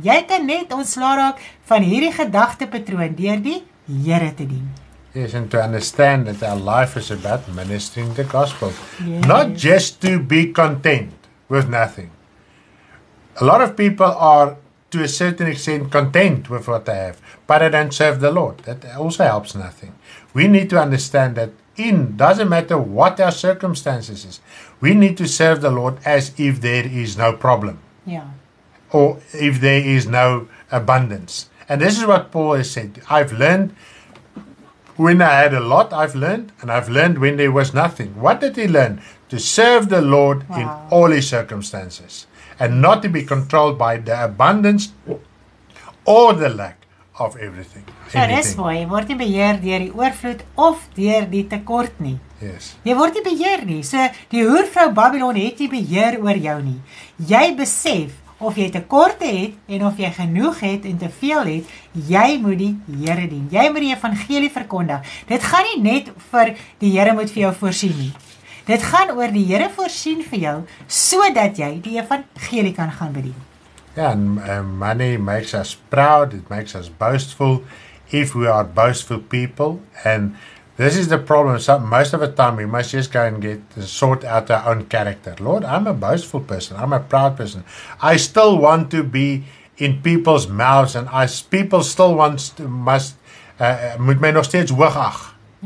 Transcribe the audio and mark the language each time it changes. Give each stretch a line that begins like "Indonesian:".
Afrikaans: Jy kan net ontslaaf raak van hierdie gedagtepatroon deur die Here te dien.
English: Yes, and to understand that our life is about ministering the gospel. Yes. Not just to be content with nothing. A lot of people are to a certain extent content with what I have, but I don't serve the Lord. That also helps nothing. We need to understand that in doesn't matter what our circumstances is, we need to serve the Lord as if there is no problem. Yeah. Or if there is no abundance. And this is what Paul has said. I've learned when I had a lot, I've learned, and I've learned when there was nothing. What did he learn? To serve the Lord wow. in all his circumstances and not to be controlled by the abundance or the lack of everything.
Afrikaans: So dis mooi, jy word nie beheer deur die oorvloed of deur die tekort nie.
English: Yes.
Afrikaans: Jy word nie beheer nie. So die hoervrou Babylon het nie beheer oor jou nie. Jy besef of jy tekorte het en of jy genoeg het en te veel het, jy moet die Here dien. Jy moet die evangelie verkondig. Dit gaan nie net vir die Here moet vir jou voorsien nie. Dit gaan oor die Here voorsien vir jou sodat jy die evangelie kan gaan bedien.
English: Yeah, and money makes us proud, it makes us boastful, if we are boastful people. And this is the problem, so most of the time we must just go and get sort out our own character. Lord, I'm a boastful person, I'm a proud person. I still want to be in people's mouths, and people still want to,
Afrikaans: moet my nog steeds hoog ag.